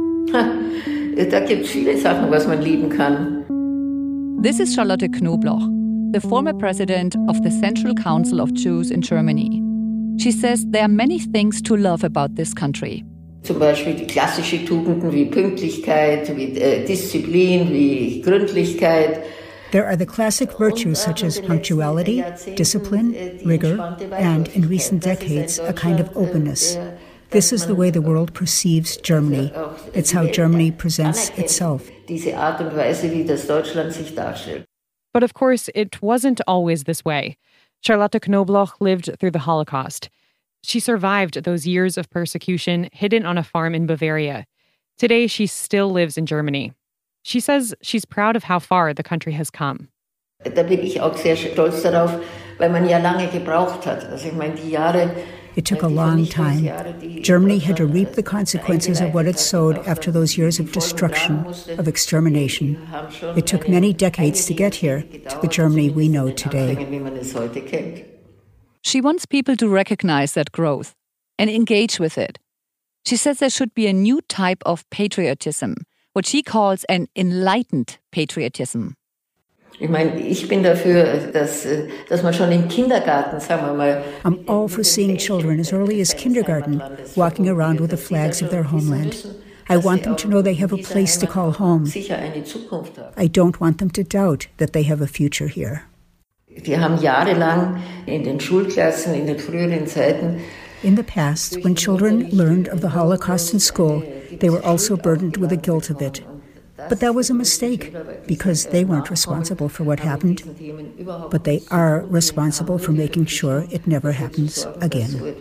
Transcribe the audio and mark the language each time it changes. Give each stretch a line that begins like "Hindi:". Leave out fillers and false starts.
German: Da gibt's viele Sachen, was man lieben kann.
English: This is Charlotte Knobloch, the former president of the Central Council of Jews in Germany. She says there are many things to love about this country.
German: Zum Beispiel die klassischen Tugenden wie Pünktlichkeit, wie Disziplin, wie Gründlichkeit.
English: There are the classic virtues such as punctuality, discipline, rigor, and in recent decades, a kind of openness. This is the way the world perceives Germany. It's how Germany presents itself. But of course, it wasn't always this way. Charlotte Knobloch lived through the Holocaust. She survived those years of persecution hidden on a farm in Bavaria. Today, she still lives in Germany. She says she's proud of how far the country has come.
German: Da bin ich auch sehr stolz darauf, weil man ja lange gebraucht hat. Also ich meine, die Jahre.
English: It took a long time. Germany had to reap the consequences of what it sowed after those years of destruction, of extermination. It took many decades to get here, to the Germany we know today. She wants people to recognize that growth and engage with it. She says there should be a new type of patriotism, what she calls an enlightened patriotism. I'm all for seeing children as early as kindergarten walking around with the flags of their homeland. I want them to know they have a place to call home. I don't want them to doubt that they have a future here.
German: Wir haben jahrelang in den Schulklassen, in den früheren Zeiten.
English: In the past, when children learned of the Holocaust in school, they were also burdened with the guilt of it. But that was a mistake, because they weren't responsible for what happened. But they are responsible for making sure it never happens again.